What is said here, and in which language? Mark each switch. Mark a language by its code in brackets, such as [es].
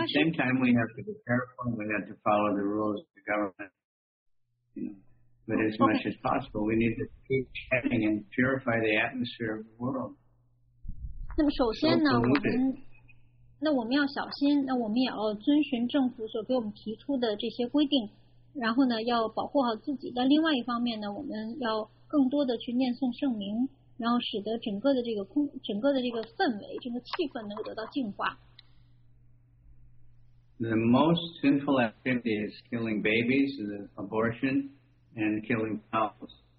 [en] At the same time, we have to be careful. We have to follow the rules of the government. But as much as possible, we need to keep checking and purify the atmosphere of the world. [zh] 那么首先呢，我们要小心，那我们也要遵循政府所给我们提出的这些规定，然后呢，要保护好自己。但另外一方面呢，我们要更多的去念诵圣名，然后使得整个的这个整个的这个氛围，这个气氛能够得到净化。 [en] The most sinful activity is killing babies, the abortion, and killing cows.